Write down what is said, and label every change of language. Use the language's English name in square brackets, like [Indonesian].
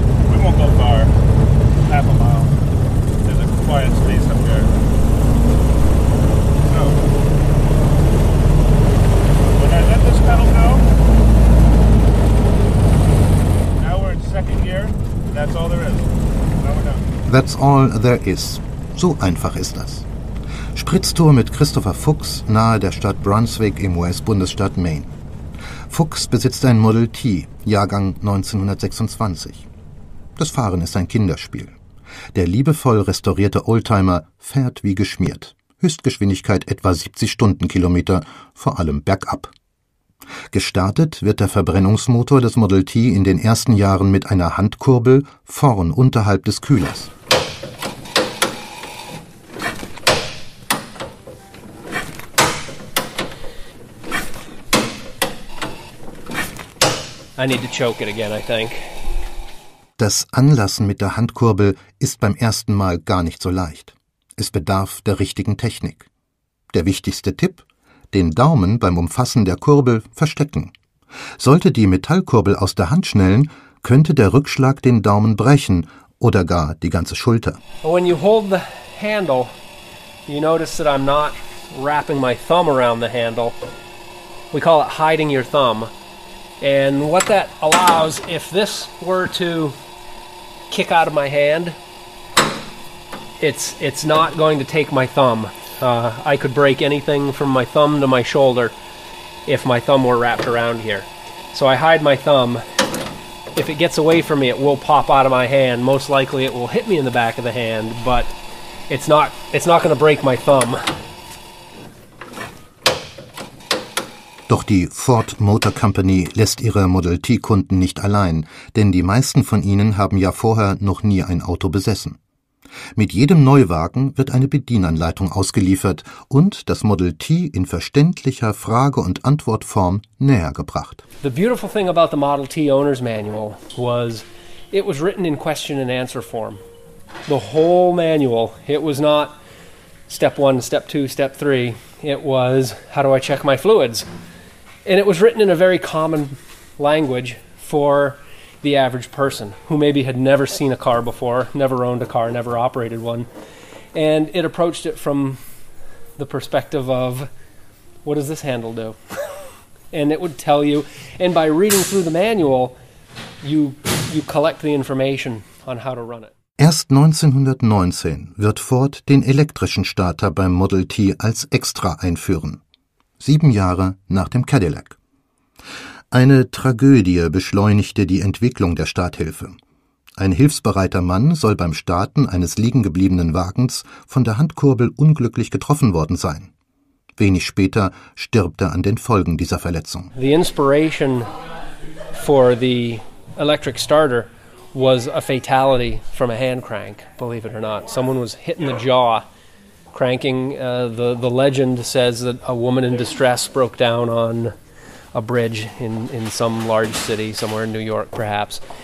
[English] We won't go far. Half a mile. There's a quiet space up here. So, when I let this pedal go, now we're in second gear, and that's all there is. That's all there is. [German] So einfach ist das. Spritztour mit Christopher Fuchs nahe der Stadt Brunswick im US-Bundesstaat Maine. Fuchs besitzt ein Model T, Jahrgang 1926. Das Fahren ist ein Kinderspiel. Der liebevoll restaurierte Oldtimer fährt wie geschmiert. Höchstgeschwindigkeit etwa 70 Stundenkilometer, vor allem bergab. Gestartet wird der Verbrennungsmotor des Model T in den ersten Jahren mit einer Handkurbel vorn unterhalb des Kühlers. [English] I need to choke it again, I think. [German] Das Anlassen mit der Handkurbel ist beim ersten Mal gar nicht so leicht. Es bedarf der richtigen Technik. Der wichtigste Tipp? Den Daumen beim Umfassen der Kurbel verstecken. Sollte die Metallkurbel aus der Hand schnellen, könnte der Rückschlag den Daumen brechen oder gar die ganze Schulter. [English] When you hold the handle, you notice that I'm not wrapping my thumb around the handle. We call it hiding your thumb. And what that allows, if this were to kick out of my hand, it's not going to take my thumb. I could break anything from my thumb to my shoulder if my thumb were wrapped around here. So I hide my thumb. If it gets away from me, it will pop out of my hand. Most likely it will hit me in the back of the hand, but it's not going to break my thumb. [German] Doch die Ford Motor Company lässt ihre Model T-Kunden nicht allein, denn die meisten von ihnen haben ja vorher noch nie ein Auto besessen. Mit jedem Neuwagen wird eine Bedienanleitung ausgeliefert und das Model T in verständlicher Frage- und Antwortform näher gebracht. [English] The beautiful thing about the Model T owner's manual was it was written in question and answer form. The whole manual, it was not step 1, step 2, step 3. It was how do I check my fluids? And it was written in a very common language for the average person who maybe had never seen a car before, never owned a car, never operated one. And it approached it from the perspective of, what does this handle do? And it would tell you, and by reading through the manual, you collect the information on how to run it. [German] Erst 1919 wird Ford den elektrischen Starter beim Model T als Extra einführen. 7 Jahre nach dem Cadillac. Eine Tragödie beschleunigte die Entwicklung der Starthilfe. Ein hilfsbereiter Mann soll beim Starten eines liegen gebliebenen Wagens von der Handkurbel unglücklich getroffen worden sein. Wenig später stirbt er an den Folgen dieser Verletzung. [English] The inspiration for the electric starter was a fatality from a hand crank, believe it or not. Someone was hit in the jaw cranking. The legend says that a woman in distress broke down on a bridge in some large city, somewhere in New York, perhaps.